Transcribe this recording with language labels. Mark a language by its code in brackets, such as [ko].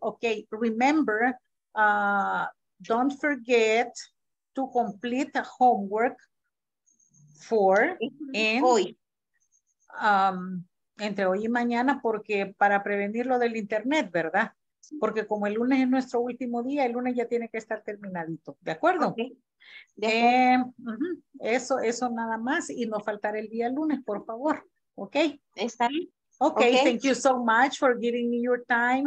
[en] Okay, remember, don't forget to complete the homework for and [es] hoy. Entre hoy y mañana, porque para prevenir lo del internet, ¿verdad? Porque como el lunes es nuestro último día, el lunes ya tiene que estar terminadito, ¿de acuerdo? [en] Okay. [es] De acuerdo. Eso nada más, y no faltar el día lunes, por favor, ¿ok? Está bien. [en] Okay, thank you so much for giving me your time.